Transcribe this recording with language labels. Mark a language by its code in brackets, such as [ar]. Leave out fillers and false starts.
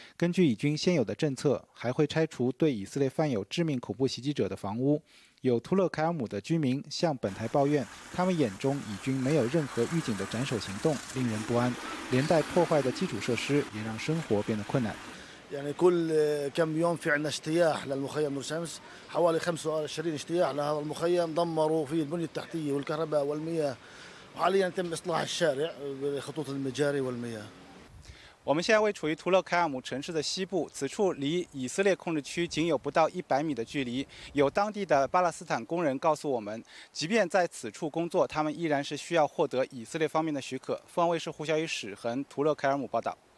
[zh] 根据以军现有的政策，还会拆除对以色列犯有致命恐怖袭击者的房屋。有图勒凯尔姆的居民向本台抱怨，他们眼中以军没有任何预警的斩首行动，令人不安。连带破坏的基础设施也让生活变得困难。 [ar] يعني كل كم يوم في عنا اجتياح للمخيم نور شمس حوالي 25 اجتياح لهذا المخيم دمروا فيه البنية التحتية والكهرباء والمياه وحاليا تم إصلاح الشارع بخطوط المجاري والمياه [zh] 我们现在位处于图勒凯尔姆城市的西部，此处离以色列控制区仅有不到100米的距离。有当地的巴勒斯坦工人告诉我们，即便在此处工作，他们依然是需要获得以色列方面的许可。凤凰卫视胡晓宇、史恒，图勒凯尔姆报道。